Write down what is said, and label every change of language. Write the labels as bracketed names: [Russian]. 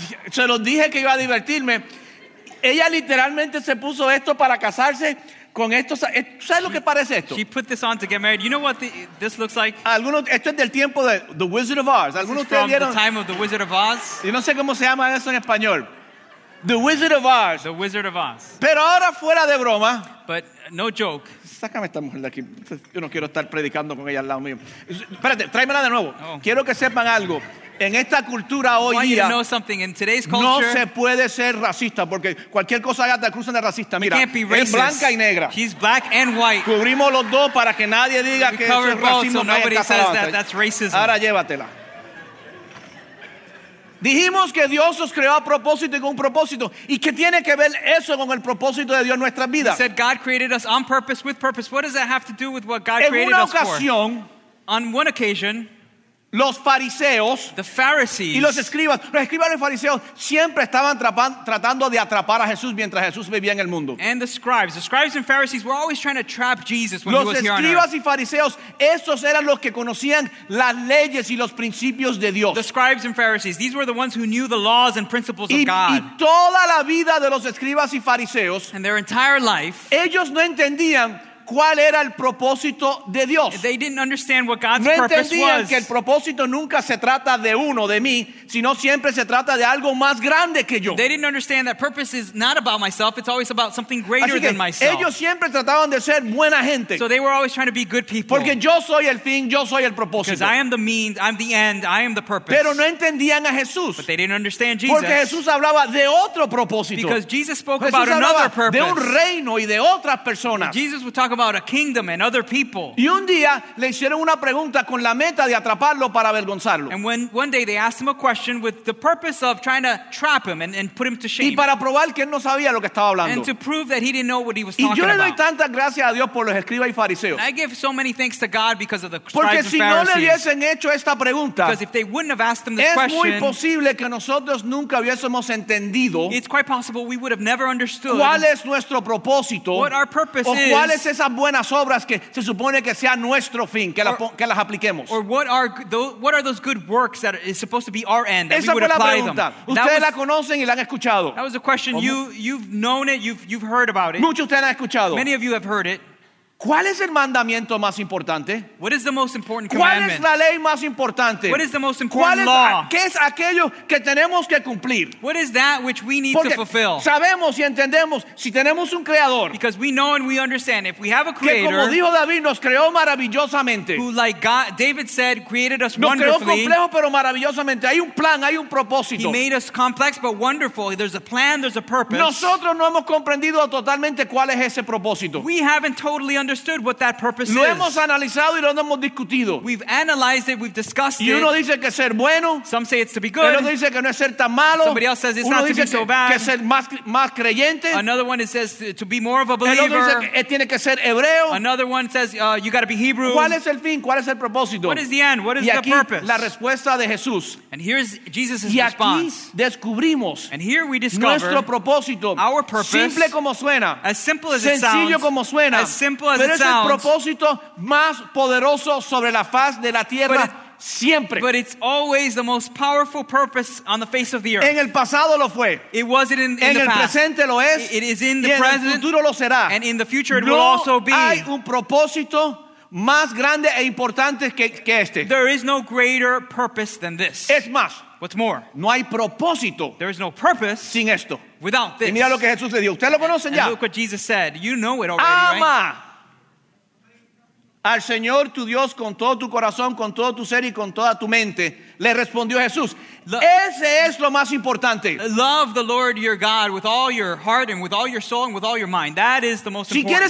[Spanish] Se los dije que iba a divertirme. Ella literalmente se puso esto para casarse. Con esto, ¿sabes lo que parece esto? [English] She put this on to get married. You know what this looks like? [Spanish] Algunos, esto es del tiempo de The Wizard of Oz. Algunos ustedes vieron. [English] From the time of The Wizard of Oz. [Spanish] Yo no sé cómo se llama eso en español. [English] The Wizard of Oz. The Wizard of Oz. [Spanish] Pero ahora fuera de broma. [English] But no joke. [Spanish] Sácame esta mujer de aquí. Yo no quiero estar predicando con ella al lado mío. Espérate, tráemela de nuevo. Oh. Quiero que sepan algo. En esta cultura hoy día, [English] you know something. In today's culture, [Spanish] no se puede ser racista porque cualquier cosa que te acusan de racista, mira, es blanca y negra. [English] He's black and white. [Spanish] Cubrimos los dos para que nadie diga [English] we [Spanish] que eso es racismo. [English] So nobody says that, that's racism. [Spanish] Ahora llévatela. Dijimos que Dios os creó a propósito y con un propósito. ¿Y qué tiene que ver eso con el propósito de Dios en nuestras vidas? [English] He said God created us on purpose with purpose. What does that have to do with what God [Spanish] en [English] created [Spanish] una ocasión, [English] us for? On one occasion, [Spanish] los fariseos [English] the Pharisees, [Spanish] y los escribas y los fariseos siempre estaban tratando de atrapar a Jesús mientras Jesús vivía en el mundo. [English] And the scribes and Pharisees were always trying to trap Jesus when [Spanish] los [English] he was here. [Spanish] Los escribas y fariseos, esos eran los que conocían las leyes y los principios de Dios. [English] The scribes and Pharisees, these were the ones who knew the laws and principles of God. [Spanish] Y toda la vida de los escribas y fariseos, [English] and their entire life, [Spanish] ellos no entendían ¿cuál era el propósito de Dios? [English] They didn't understand what God's [Spanish] no [English] purpose was. [Spanish] No entendían que el propósito nunca se trata de uno, de mí, sino siempre se trata de algo más grande que yo. [English] They didn't understand that purpose is not about myself, it's always about something greater than myself. [Spanish] Ellos siempre trataban de ser buena gente. [English] So they were always trying to be good people. [Spanish] Porque yo soy el fin, yo soy el propósito. [English] Because I am the means, I'm the end, I am the purpose. [Spanish] Pero no entendían a Jesús. [English] But they didn't understand Jesus. [Spanish] Porque Jesús hablaba de otro propósito. [English] Because Jesus spoke Jesús about another purpose. [Spanish] De un reino y de otras personas. [English] Jesus would talk about a kingdom and other people. [Spanish] Y un día le hicieron una pregunta con la meta de atraparlo para avergonzarlo. [English] And when one day they asked him a question with the purpose of trying to trap him and put him to shame. [Spanish] Y para probar que él no sabía lo que estaba hablando. [English] And to prove that he didn't know what he was talking about. [Spanish] Y yo le doy tantas gracias a Dios por los escribas y fariseos. [English] I give so many thanks to God because of the scribes [Spanish] porque si [English] and Pharisees. [Spanish] No le hubiesen hecho esta pregunta, [English] because if they wouldn't have asked him this [Spanish] es [English] question, [Spanish] muy posible que nosotros nunca hubiésemos entendido. [English] It's quite possible we would have never understood. [Spanish] ¿Cuál es nuestro propósito? [English] What our purpose [Spanish] o cuál [English] is. [Spanish] Es esa buenas obras que se supone que sea nuestro fin, que las apliquemos. [English] Or what are those good works that is supposed to be our end, that [Spanish] esa [English] we would [Spanish] la [English] apply [Spanish] pregunta. [English] Them? [Spanish] Ustedes la conocen y la han escuchado. [English] That was a question you've known it, you've heard about it. [Spanish] Muchos ustedes han escuchado. [English] Many of you have heard it. [Spanish] ¿Cuál es el mandamiento más importante? [English] What is the most important commandment? [Spanish] ¿Cuál es la ley más importante? [English] What is the most important law? [Spanish] ¿Qué es aquello que tenemos que cumplir? [English] What is that which we need [Spanish] porque [English] to fulfill? [Spanish] Sabemos y entendemos si tenemos un creador. [English] Because we know and we understand if we have a creator. [Spanish] Que como dijo David nos creó maravillosamente. [English] Who like God, David said created us [Spanish] nos [English] wonderfully. [Spanish] Nos creó complejo pero maravillosamente. Hay un plan, hay un propósito. [English] He made us complex but wonderful. There's a plan, there's a purpose. [Spanish] Nosotros no hemos comprendido totalmente cuál es ese propósito. [English] We haven't totally understood what that purpose [Spanish] lo [English] is. [Spanish] Hemos analizado y lo hemos discutido. [English] We've analyzed it, we've discussed [Spanish] y uno [English] it. [Spanish] Dice que ser bueno. [English] Some say it's to be good. [Spanish] El otro dice que no es ser tan malo. [English] Somebody else says it's [Spanish] uno [English] not to be so bad. [Spanish] Que ser más creyente. [English] Another one it says to be more of a believer. [Spanish] El otro dice que tiene que ser hebreo. [English] Another one says you got to be Hebrew. [Spanish] ¿Cuál es el fin? ¿Cuál es el propósito? [English] What is the end? What is [Spanish] y aquí, [English] the purpose? [Spanish] La respuesta de Jesús. [English] And here's Jesus' [Spanish] y [English] response. [Spanish] Aquí descubrimos [English] and here we discover [Spanish] nuestro propósito. [English] Our purpose. [Spanish] Simple como suena. [English] As simple as [Spanish] sencillo [English] it sounds. [Spanish] Sencillo como suena. [English] As simple pero es el propósito más poderoso sobre la faz de la tierra siempre. But it's always the most powerful purpose on the face of the earth. [Spanish] En el pasado lo fue. [English] It was it in the past. [Spanish] En el presente lo es. [English] It is in the present. [Spanish] Y en el futuro lo será. [English] And in the future it [Spanish] no [English] will also be. [Spanish] No hay un propósito más grande e importante que este. [English] There is no greater purpose than this. [Spanish] Es más. [English] What's more? [Spanish] No hay propósito. [English] There is no purpose. [Spanish] Sin esto. [English] Without this. [Spanish] Y mira lo que Jesús le dijo. Usted lo conoce ya. [English] And look what Jesus said. You know it already, [Spanish] ama [English] right? [Spanish] Al Señor tu Dios con todo tu corazón, con todo tu ser y con toda tu mente. Le respondió Jesús, ese es lo más importante. [English] Love the Lord your God with all your heart and with all your soul and with all your mind. That is the most important.